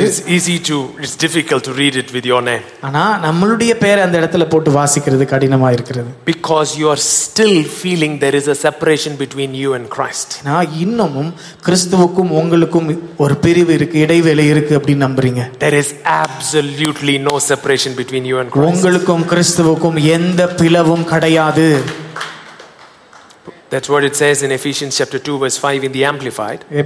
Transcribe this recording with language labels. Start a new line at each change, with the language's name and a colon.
English: But it's difficult to read it with your name.
Tamil: ஆனா நம்மளுடைய பேரை அந்த இடத்துல போட்டு வாசிக்கிறது கடினமா இருக்கிறது.
English: Because you are still feeling there is a separation between you and Christ.
Tamil: நான் இன்னமும் கிறிஸ்துவுக்கும் உங்களுக்கும் ஒரு பிரிவு இருக்கு, இடைவேளை இருக்கு அப்படி நம்புறீங்க.
English: There is absolutely no separation between you and Christ.
Tamil: உங்களுக்கும் கிறிஸ்துவுக்கும் எந்த பிளவும் கிடையாது.
English: That's what it says in Ephesians chapter 2 verse 5 in the Amplified.